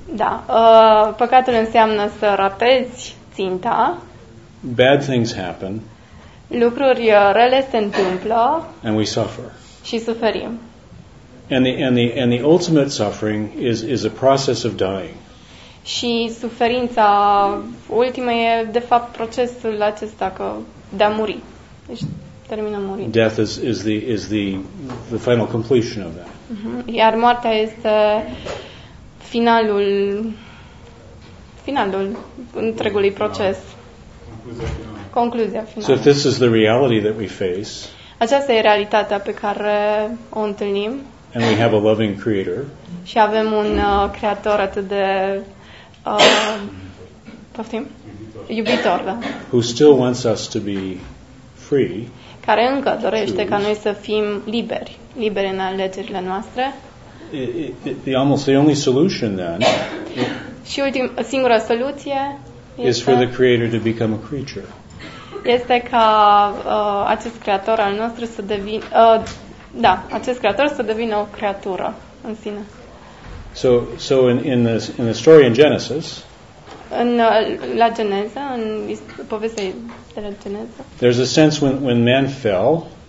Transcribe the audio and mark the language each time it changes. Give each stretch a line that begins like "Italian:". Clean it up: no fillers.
Romanian: Da, păcatul înseamnă să ratezi ținta.
English: Bad things happen.
Romanian: Lucruri rele se întâmplă.
English: And we suffer.
Romanian: Și suferim.
English: And the ultimate suffering is a process of dying.
Romanian: Și suferința ultimă e de fapt procesul acesta că de a muri. Deci termină murind.
English: Death is the final completion of that. Uh-huh.
Romanian: Iar moartea este finalul întregului proces. Concluzia finală.
English: So if this is the reality that we face.
Romanian: Aceasta e realitatea pe care o întâlnim.
English: And we have a loving creator.
Romanian: Și avem un creator atât de poftim? Iubitor, da.
English: Who still wants us to be free.
Romanian: Care încă dorește ca noi să fim liberi, liberi în alegerile noastre.
English: The only solution then.
Romanian: Și ultima singura soluție
English: is for the creator to become a creature.
Romanian: Este ca acest creator al nostru să devină acest creator să devină o creatură în sine.
English: So in the story in Genesis.
Romanian: În la Geneza, în povestea de la Geneza.
English: There's a sense when man fell.